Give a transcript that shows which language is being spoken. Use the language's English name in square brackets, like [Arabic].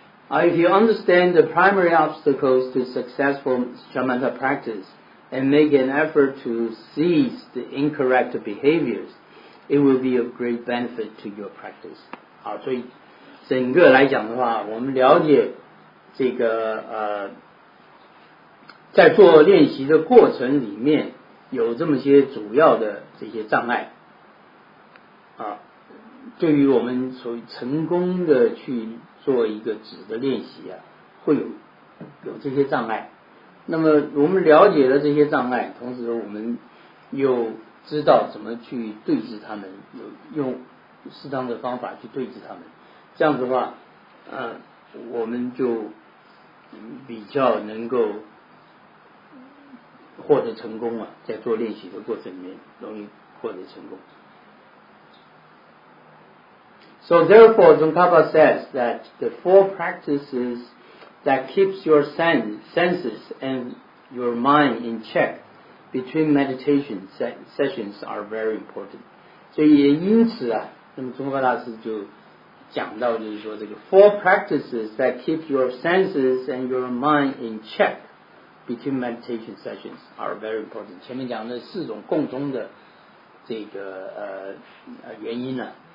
[English] If you understand the primary obstacles to successful shamatha practice and make an effort to cease the incorrect behaviors, it will be a great benefit to your practice. [Chinese] 好，所以整个来讲的话，我们了解这个在做练习的过程里面有这么些主要的这些障碍啊，对于我们所谓成功的去做一个止的练习啊，会有这些障碍。那么我们了解了这些障碍，同时我们又知道怎么去对治他们，有用适当的方法去对治他们。这样子的话，我们就比较能够获得成功啊，在做练习的过程里面容易获得成功。 [English] So therefore, Tsongkhapa says that the four practices that keeps your senses and your mind in check between meditation sessions are very important. [Chinese] 所以也因此啊，那么宗喀大师就讲到，就是说这个 [English] four practices that keep your senses and your mind in check between meditation sessions are very important. [Chinese] 前面讲的四种共通的这个原因呢、啊。